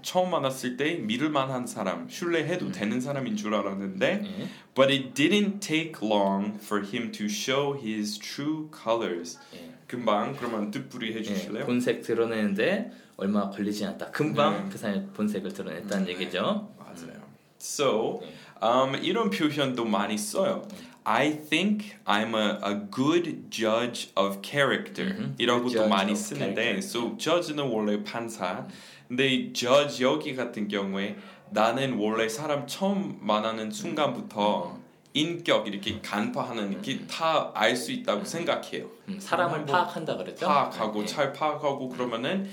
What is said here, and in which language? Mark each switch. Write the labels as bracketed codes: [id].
[ko] 처음 만났을 때 믿을 만한 사람, 신뢰해도 되는 사람인 줄 알았는데 [en] But it didn't take long for him to show his true colors. [ko] 금방 그러면 뜻풀이 해주실래요? 네, 본색 드러내는데 얼마 걸리지 않았다. 금방 그 사람의 본색을 드러냈다는 얘기죠. 맞아요. So, 이런 표현도 많이 써요. [en] I think I'm a good judge of character. [ko] 이라고도 많이 쓰는데 character. So judge는 원래 판사. 근데 judge 여기 같은 경우에 나는 원래 사람 처음 만나는 순간부터 인격 이렇게 간파하는 게 다 알 수 있다고 생각해요. 사람을 파악한다 그랬죠? 파악하고 네. 잘 파악하고 그러면은